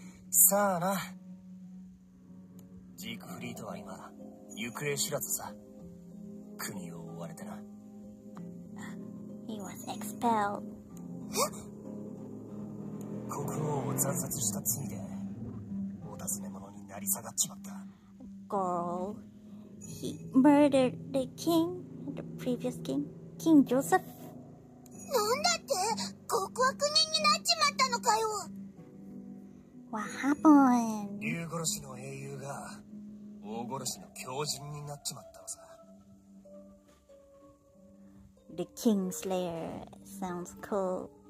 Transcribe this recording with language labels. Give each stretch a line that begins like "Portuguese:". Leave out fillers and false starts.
Japanese: さあな、ジークフリートは今行方知らずさ。国を追われてな。
English: He was expelled。
Japanese: 国王を惨殺した罪でお尋ね者になり下がっちまった。
English: Girl, he murdered the king, the previous king, King Joseph.
Japanese: なんだって極悪人になっちまったのかよ。
English: What happened?
Japanese: 竜殺しの英雄が王殺しの狂人になっちまったのさ。
English: The King Slayer sounds cool.